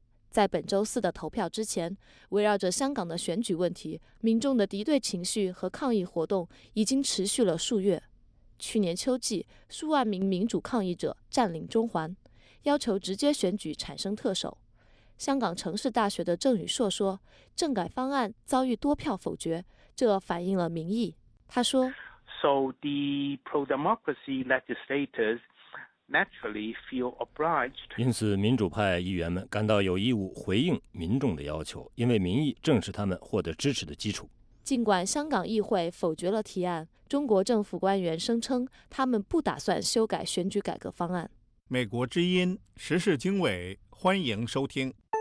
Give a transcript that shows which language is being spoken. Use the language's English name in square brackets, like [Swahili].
[Chinese] 在本周四的投票之前，围绕着香港的选举问题，民众的敌对情绪和抗议活动已经持续了数月。去年秋季，数万名民主抗议者占领中环，要求直接选举产生特首。香港城市大学的郑宇硕说，政改方案遭遇多票否决，这反映了民意。他说， [English] So the pro-democracy legislators naturally feel obliged. [Chinese] 因此民主派议员们感到有义务回应民众的要求，因为民意正是他们获得支持的基础。尽管香港议会否决了提案，中国政府官员声称他们不打算修改选举改革方案。美国之音时事经纬，欢迎收听。